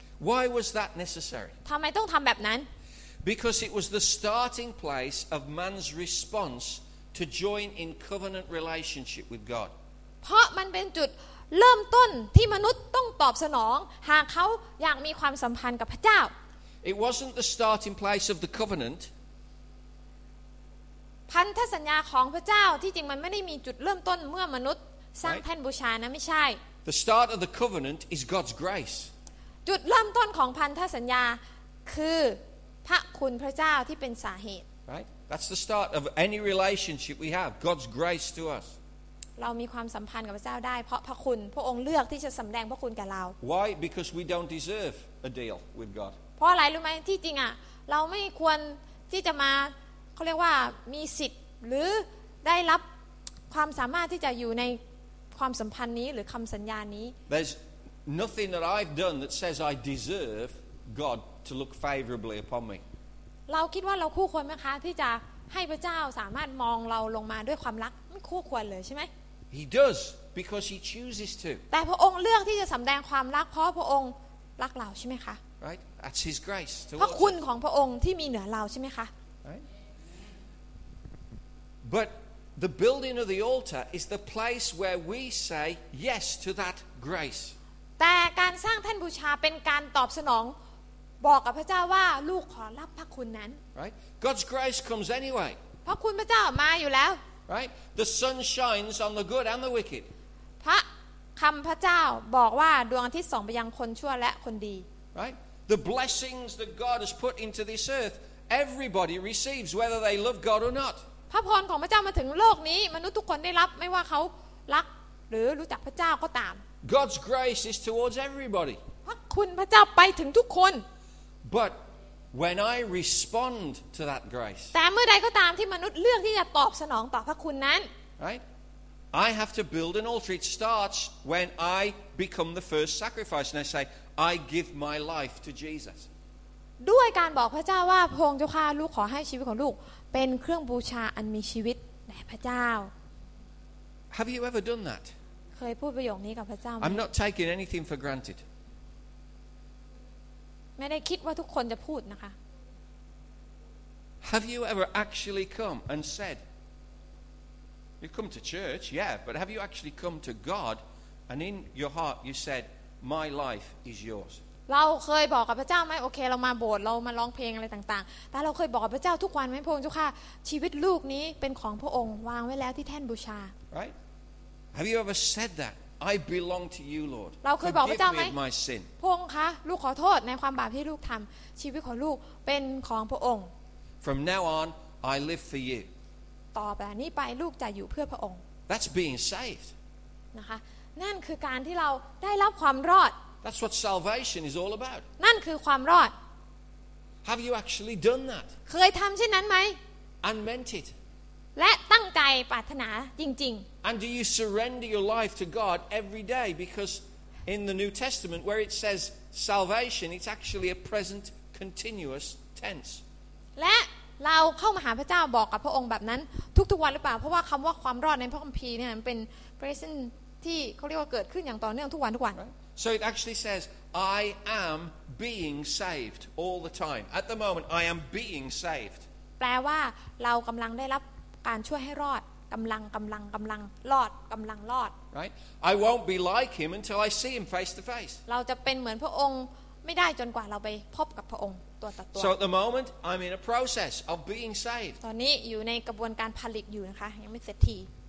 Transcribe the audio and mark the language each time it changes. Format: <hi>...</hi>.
<en>Why was that necessary?</en> <th>ทำไมต้องทำแบบนั้น</th> <en>Because it was the starting place of man's response to join in covenant relationship with God.</en> <th>เพราะมันเป็นจุดเริ่มต้นที่มนุษย์ต้องตอบสนองหากเขาอยากมีความสัมพันธ์กับพระเจ้า</th> <en>It wasn't the starting place of the covenant.</en> <th>พันธสัญญาของพระเจ้าที่จริงมันไม่ได้มีจุดเริ่มต้นเมื่อมนุษย์สร้างแท่นบูชานะไม่ใช่</th> <en>The start of the covenant is God's grace.</en> <th>จุดเริ่มต้นของพันธสัญญาคือพระคุณพระเจ้าที่เป็นสาเหตุ</th> <en>Right? That's the start of any relationship we have. God's grace to us.</en> <th>เรามีความสัมพันธ์กับพระเจ้าได้เพราะพระคุณพระองค์เลือกที่จะสำแดงพระคุณแก่เรา</th> <en>Why because we don't deserve a deal with God</en> <th>เพราะอะไรรู้ไหมที่จริงอ่ะเราไม่ควรที่จะมาเขาเรียกว่ามีสิทธิ์หรือได้รับความสามารถที่จะอยู่ในความสัมพันธ์นี้หรือคำสัญญานี้</th> <en>There's nothing that I've done that says I deserve God to look favorably upon me</en> <th>เราคิดว่าเราคู่ควรไหมคะที่จะให้พระเจ้าสามารถมองเราลงมาด้วยความรักไม่คู่ควรเลยใช่ไหม</th> <en>He does because he chooses to</en> <th>แต่พระองค์เลือกที่จะสำแดงความรักเพราะพระองค์รักเราใช่ไหมคะ</th> <en>Right that's his grace</en> <th>พระคุณของพระองค์ที่มีเหนือเราใช่ไหมคะ</th> <en>But the building of the altar is the place where we say yes to that grace</en> <th>แต่การสร้างแท่นบูชาเป็นการตอบสนองบอกกับพระเจ้าว่าลูกขอรับพระคุณนั้น</th> <en>Right God's grace comes anyway</en> <th>พระคุณพระเจ้ามาอยู่แล้ว</th> <en>Right The sun shines on the good and the wicked</en> <th>พระคำพระเจ้าบอกว่าดวงอาทิตย์ส่องไปยังคนชั่วและคนดี</th> <en>Right The blessings that God has put into this earth everybody receives whether they love God or not</en> <th>พระพรของพระเจ้ามาถึงโลกนี้มนุษย์ทุกคนได้รับไม่ว่าเขารักหรือรู้จักพระเจ้าก็ตาม</th> <en>God's grace is towards everybody</en> <th>พระคุณพระเจ้าไปถึงทุกคน</th> <en>But when I respond to that grace,</en> <th>แต่เมื่อใดก็ตามที่มนุษย์เลือกที่จะตอบสนองต่อพระคุณนั้น</th> <en>right, I have to build an altar. It starts when I become the first sacrifice, and I say, I give my life to Jesus.</en> <th>ด้วยการบอกพระเจ้าว่าพระองค์เจ้าข้าลูกขอให้ชีวิตของลูกเป็นเครื่องบูชาอันมีชีวิตแด่พระเจ้า</th> <en>Have you ever done that?</en> <th>เคยพูดประโยคนี้กับพระเจ้าไ</th> <en>หม I'm not taking anything for granted.</en> <th>ไม่ได้คิดว่าทุกคนจะพูดนะคะ</th> <en>Have you ever actually come and said you come to church yeah but have you actually come to God and in your heart you said my life is yours</en> <th>เราเคยบอกกับพระเจ้าไหมโอเคเรามาโบสถ์เรามาร้องเพลงอะไรต่างๆแต่เราเคยบอกกับพระเจ้าทุกวันไหมพระองค์เจ้าค่ะชีวิตลูกนี้เป็นของพระองค์วางไว้แล้วที่แท่นบูชา</th> <en>Right Have you ever said thatI belong to you, Lord.</en> <th>เราเคยบอกพระเจ้าไหมพระองค์คะลูกขอโทษในความบาปที่ลูกทำชีวิตของลูกเป็นของพระองค์</th> <en>From now on, I live for you.</en> <th>ต่อไปนี้ไปลูกจะอยู่เพื่อพระองค์</th> <en>That's being saved.</en> <th>นะคะนั่นคือการที่เราได้รับความรอด</th> <en>That's what salvation is all about.</en> <th>นั่นคือความรอด</th> <en>Have you actually done that?</en> <th>เคยทำเช่นนั้นไหม</th> <en>And meant it.</en> <th>และตั้งใจปรารถนาจริง</th> <en>ๆ And do you surrender your life to God every day because in the New Testament where it says salvation it's actually a present continuous tense</en> <th>และเราเข้ามาหาพระเจ้าบอกกับพระองค์แบบนั้นทุกๆวันหรือเปล่าเพราะว่าคำว่าความรอดในพระคัมภีร์เนี่ยมันเป็น present ที่เขาเรียกว่าเกิดขึ้นอย่างต่อเนื่องทุกวันทุกวัน</th> <en>So it actually says I am being saved all the time at the moment I am being saved</en> <th>แปลว่าเรากำลังได้รับการช่วยให้รอดกำลังรอดกำลังรอด</th> <en>Right I won't be like him until I see him face to face</en> <th>เราจะเป็นเหมือนพระองค์ไม่ได้จนกว่าเราไปพบกับพระองค์ตัวต่อตัว</th> <en>So at the moment I'm in a process of being saved</en> <th>ตอนนี้อยู่ในกระบวนการผลิตอยู่นะคะยังไม่เสร็จที</th>